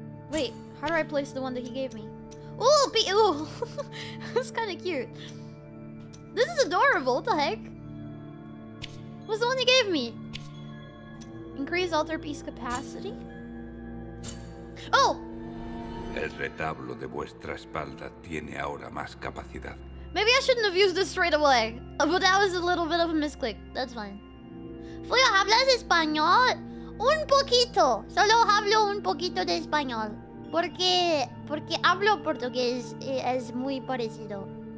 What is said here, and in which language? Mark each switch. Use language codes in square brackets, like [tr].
[en] Wait, how do I place the one that he gave me? Ooh, that's kind of cute. This is adorable, what the heck? What's the one he gave me? Increase altar piece capacity. Oh. [es] El retablo de vuestra espalda tiene ahora más capacidad. [en] Maybe I shouldn't have used this straight away, but that was a little bit of a misclick. That's fine. [es] Fuyo, ¿hablas español? Un poquito. Solo hablo un poquito de español. Porque hablo portugués y es muy parecido.